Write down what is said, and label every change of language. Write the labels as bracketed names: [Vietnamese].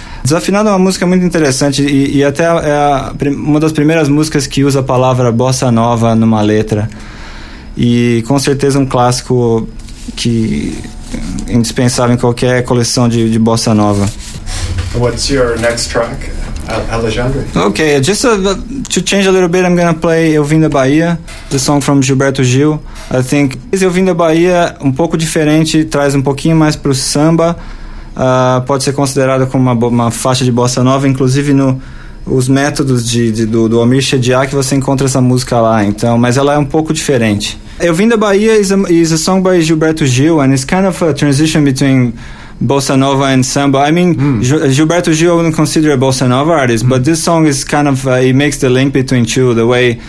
[Portuguese] Desafinado é uma música muito interessante e até é uma das primeiras músicas que usa a palavra bossa nova numa letra. E com certeza um clássico que é indispensável em qualquer coleção de bossa nova. [English] What's your next track? Alexandre. Okay, just to change a little bit, I'm gonna play Eu Vim da Bahia, the song from Gilberto Gil. I think [Portuguese] Eu Vim da Bahia, um pouco diferente, traz um pouquinho mais pro samba, pode ser considerada como uma faixa de bossa nova, inclusive no os métodos do Almir Chediak, que você encontra essa música lá, então, mas ela é um pouco diferente. [English] Eu Vim da Bahia is a song by Gilberto Gil, and it's kind of a transition between bossa nova and samba. I mean, Gilberto Gil, I wouldn't consider a bossa nova artist, but this song is kind of, it makes the link between two, the way,